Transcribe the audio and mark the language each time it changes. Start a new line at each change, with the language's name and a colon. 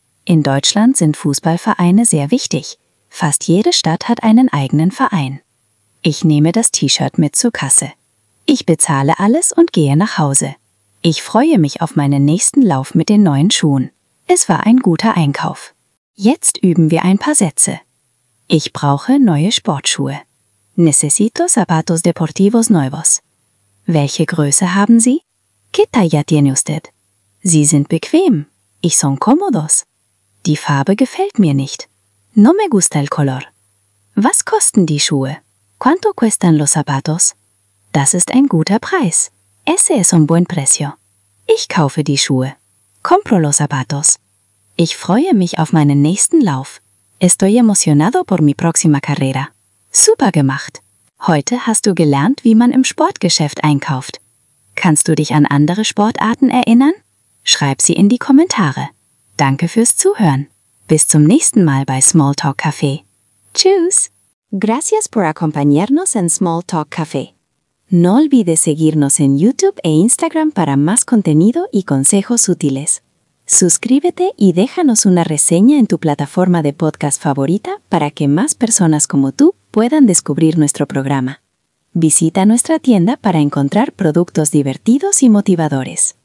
German: In Deutschland sind Fußballvereine sehr wichtig. Fast jede Stadt hat einen eigenen Verein. Ich nehme das T-Shirt mit zur Kasse. Ich bezahle alles und gehe nach Hause. Ich freue mich auf meinen nächsten Lauf mit den neuen Schuhen. Es war ein guter Einkauf. Jetzt üben wir ein paar Sätze. Ich brauche neue Sportschuhe.
Spanish: Necesito zapatos deportivos nuevos.
German: Welche Größe haben Sie?
Spanish: ¿Qué talla tiene usted?
German: Sie sind bequem.
Spanish: Ich son cómodos.
German: Die Farbe gefällt mir nicht.
Spanish: No me gusta el color.
German: Was kosten die Schuhe?
Spanish: ¿Cuánto cuestan los zapatos?
German: Das ist ein guter Preis.
Spanish: Ese es un buen precio.
German: Ich kaufe die Schuhe.
Spanish: Compro los zapatos.
German: Ich freue mich auf meinen nächsten Lauf.
Spanish: Estoy emocionado por mi próxima carrera.
German: Super gemacht. Heute hast du gelernt, wie man im Sportgeschäft einkauft. Kannst du dich an andere Sportarten erinnern? Schreib sie in die Kommentare. Danke fürs Zuhören. Bis zum nächsten Mal bei Small Talk Café. Tschüss!
Spanish: Gracias por acompañarnos en Small Talk Café. No olvides seguirnos en YouTube e Instagram para más contenido y consejos útiles. Suscríbete y déjanos una reseña en tu plataforma de podcast favorita para que más personas como tú puedan descubrir nuestro programa. Visita nuestra tienda para encontrar productos divertidos y motivadores.